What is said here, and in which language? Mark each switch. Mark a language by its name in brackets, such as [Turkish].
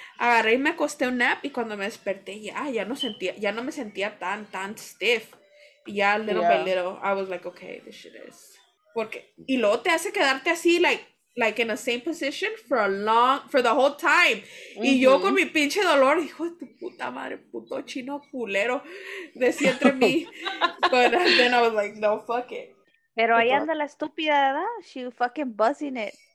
[Spanish] Agarré y me acosté un nap y cuando me desperté, ya no me sentía tan stiff. [English] Ya, little by little, I was like, okay, this shit is. [Spanish] Porque, y luego te hace quedarte así, [English] like in the same position for the whole time. [Spanish] Mm-hmm. Y yo con mi pinche dolor, hijo de tu puta madre, puto chino culero, decía entre mí. [English] But then I was like, no, fuck it. [Spanish] Pero ahí anda la estúpida, ¿verdad? [English] She fucking buzzing it.